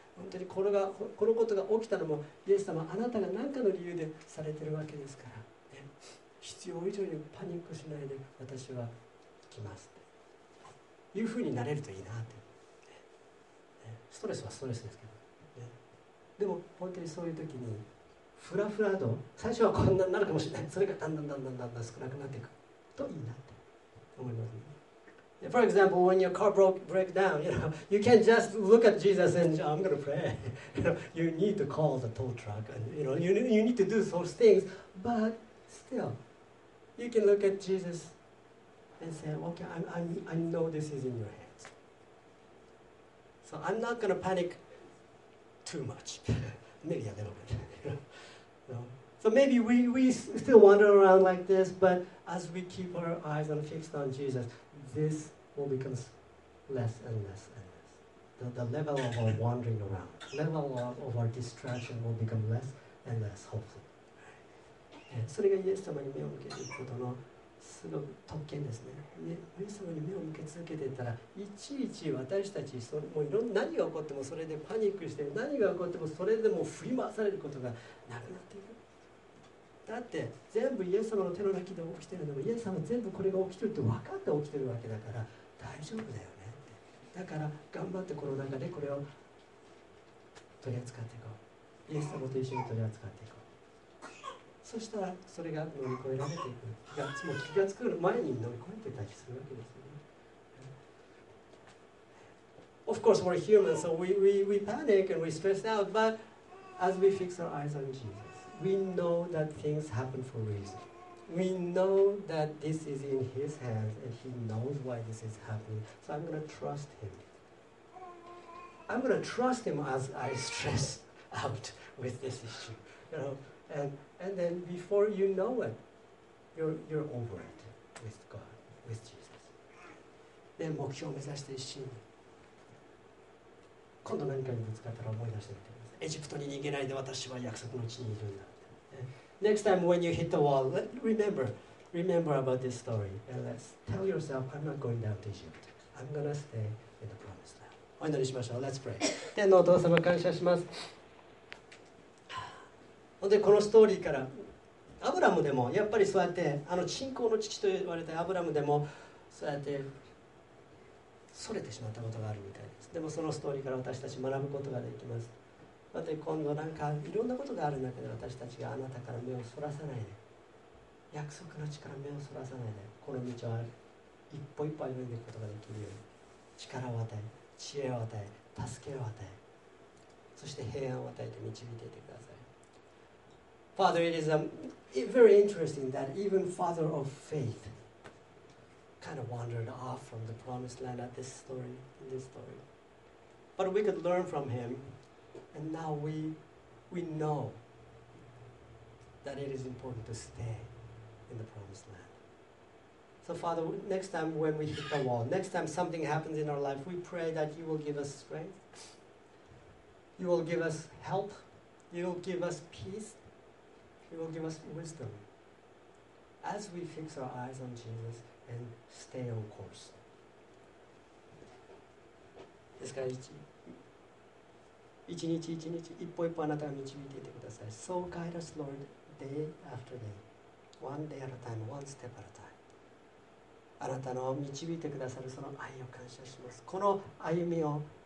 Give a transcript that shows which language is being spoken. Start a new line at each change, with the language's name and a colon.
Japanese: 本当にこれが、このことが起きたのも、イエス様、あなたが何かの理由でされてるわけですから、ね、必要以上にパニックしないで、私は行きますって。いうふうになれるといいなって。ね、ストレスはストレスですけど。でも本当にそういう時にフラフラと最初はこんなになるかもしれない。それがだんだんだんだんだんだん少なくなっていくといいなと思いますね。
English: For example, when your car breaks down, you know, you can't just look at Jesus and I'm going to pray. You need to call the tow truck and you know, you need to do those things. But still, you can look at Jesus and say, okay, I know this is in your hands. So I'm not going to panic. Too much, maybe a little bit. No. So maybe we still wander around like this, but as we keep our eyes on fixed on Jesus, this will become less and less and less. The level of our wandering around, level of our distraction will become less and less. Hopefully.
Japanese: それがイエス様に目を向けていくことのすごく特権ですね。イエス様に目を向け続けていたら、いちいち私たち、もういろんな何が起こってもそれでパニックして、何が起こってもそれでもう振り回されることがなくなっていく。だって、全部イエス様の手の中で起きているのも、イエス様は全部これが起きているって分かって起きているわけだから、大丈夫だよねって。だから、頑張ってこの中でこれを取り扱っていこう。イエス様と一緒に取り扱っていこう。そしたらそれが乗り越えられていく。もう気がつく前に乗り越えていたりするわけですよね。
English: Of course, we're human, so we panic and we stress out, but as we fix our eyes on Jesus, we know that things happen for a reason. We know that this is in His hands and He knows why this is happening. So I'm going to trust Him. I'm going to trust Him as I stress out with this issue. You know, And then before you know it, you're over it with God, with Jesus.
Japanese: で、目標を目指して一心に。今度何かにぶつかったら思い出してみてください。エジプトに逃げないで私は約束の地にいるんだ。
English: Next time when you hit the wall, remember about this story. And let's tell yourself, I'm not going down to Egypt. I'm going to stay in the promised land.
Japanese: お祈りしましょう。 Let's pray. 天のお父様、感謝します。本当にこのストーリーからアブラムでもやっぱりそうやってあの信仰の父と言われたアブラムでもそうやってそれてしまったことがあるみたいです。でもそのストーリーから私たち学ぶことができます。また今度なんかいろんなことがある中で私たちがあなたから目をそらさないで、約束の力から目をそらさないで、この道を一歩一歩歩んでいくことができるように力を与え、知恵を与え、助けを与え、そして平安を与えて導いていてください。
English: Father, it is very interesting that even father of faith kind of wandered off from the promised land at this story, in this story. But we could learn from him, and now we know that it is important to stay in the promised land. So Father, next time when we hit the wall, next time something happens in our life, we pray that you will give us strength, you will give us help, you will give us peace, You will give us wisdom as we fix our eyes on Jesus and stay on course.
Japanese: ですから一日一日一歩一歩あなたが導いていてください。
English: So guide us, Lord, day after day, one day at a time, one step at a time.
Japanese: あなたの導いてくださるその愛を感謝します。この歩みを